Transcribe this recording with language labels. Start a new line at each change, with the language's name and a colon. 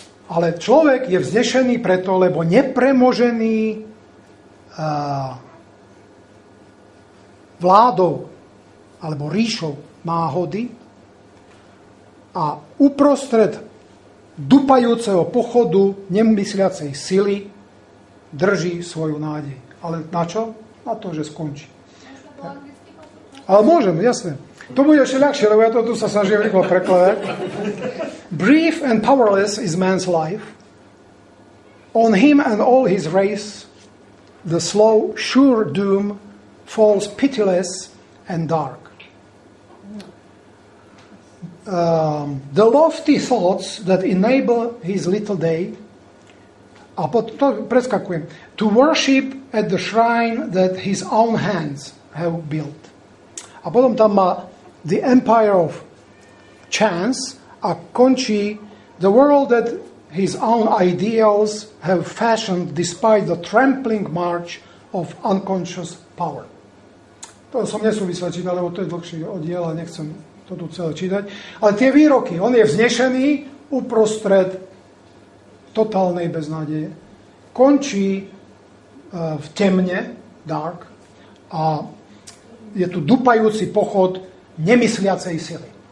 Slovak: Ale človek je vznešený preto, lebo nepremožený vládou alebo ríšou náhody a uprostred dupajúceho pochodu nemysliacej sily drží svoju nádej. Ale na čo? Na to, že skončí. Ale môžem, jasne. To bude ešte ľahšie, lebo ja to tu sa snažím rýchlo prekladať.
English: Brief and powerless is man's life. On him and all his race the slow, sure doom falls pitiless and dark. The lofty thoughts that enable his little day,
Slovak: a potom preskakujem,
English: to worship at the shrine that his own hands have built.
Slovak: A potom tam má
English: the empire of chance,
Slovak: a končí
English: the world that his own ideals have fashioned despite the trampling march of unconscious power.
Slovak: To som nesúvisle čítal, lebo to je dlhší oddiel a nechcem to tu celé čítať. Ale tie výroky, on je vznešený uprostred totálnej beznádeje. Končí v temne, dark, a je tu dupajúci pochod nemysliacej sily.